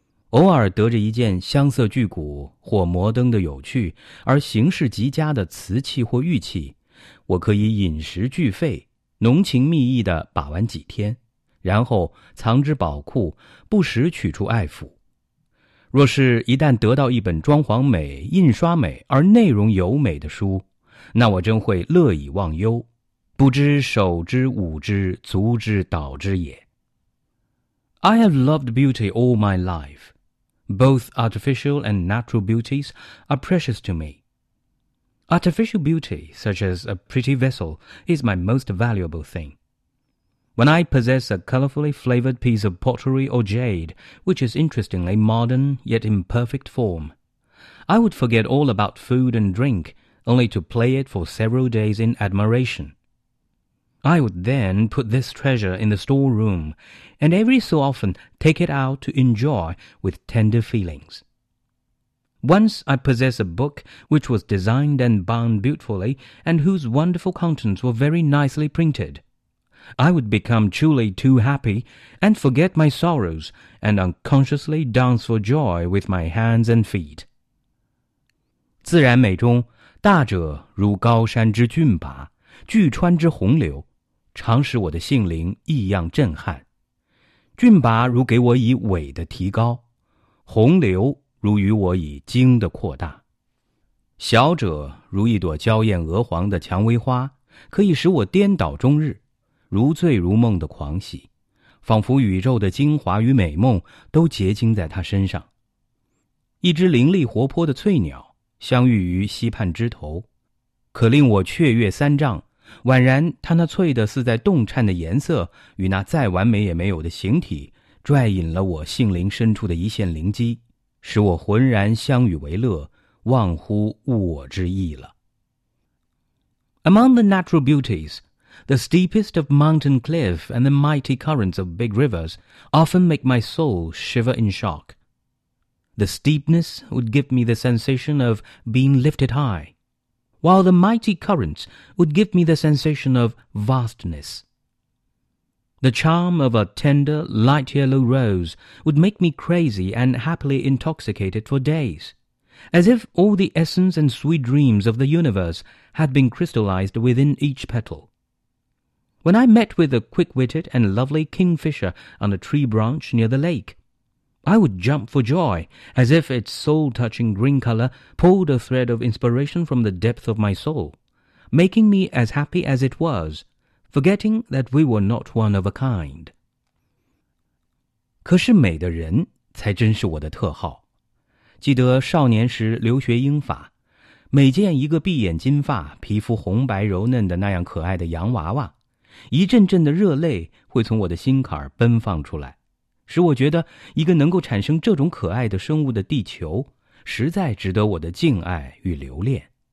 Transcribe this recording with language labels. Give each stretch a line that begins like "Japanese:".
Chinese: 偶尔得着一件镶色巨骨或摩登的有趣而形式极佳的瓷器或玉器，我可以饮食俱废，浓情蜜意地把玩几天，然后藏之宝库，不时取出爱抚。若是一旦得到一本装潢美、印刷美而内容尤美的书，那我真会乐以忘忧，不知手之舞之足之蹈之也。
English: I have loved beauty all my life. Both artificial and natural beauties are precious to me. Artificial beauty, such as a pretty vessel, is my most valuable thing. When I possess a colorfully flavored piece of pottery or jade, which is interestingly modern yet in perfect form, I would forget all about food and drink, only to play it for several days in admiration. I would then put this treasure in the storeroom, and every so often take it out to enjoy with tender feelings. Once I possess a book which was designed and bound beautifully, and whose wonderful contents were very nicely printed, I would become truly too happy, and forget my sorrows, and unconsciously dance for joy with my hands and feet.
Chinese: 自然美中，大者如高山之峻拔，巨川之洪流，常使我的性灵异样震撼。峻拔如给我以伟的提高，洪流如与我以精的扩大。小者如一朵娇艳鹅黄的蔷薇花，可以使我颠倒终日，如醉如梦的狂喜，仿佛宇宙的精华与美梦都结晶在他身上。一只伶俐活泼的翠鸟相遇于溪畔枝头，可令我雀跃三丈，宛然他那翠的似在动颤的颜色与那再完美也没有的形体，拽引了我性灵深处的一线灵机，使我浑然相与为乐，忘乎我之意了。
English: Among the natural beauties,The steepest of mountain cliff and the mighty currents of big rivers often make my soul shiver in shock. The steepness would give me the sensation of being lifted high, while the mighty currents would give me the sensation of vastness. The charm of a tender, light yellow rose would make me crazy and happily intoxicated for days, as if all the essence and sweet dreams of the universe had been crystallized within each petal. When I met with a quick-witted and lovely kingfisher on a tree branch near the lake, I would jump for joy, as if its soul-touching green color pulled a thread of inspiration from the depth of my soul, making me as happy as it was, forgetting that we were not one of a kind.
Chinese: 可是美的人才真是我的特号。记得少年时留学英法，每见一个闭眼金发、皮肤红白柔嫩的那样可爱的洋娃娃，一阵阵的热泪会从我的心坎奔放出来，使我觉得一个能够产生这种可爱的生物的地球，实在值得我的敬爱与留恋。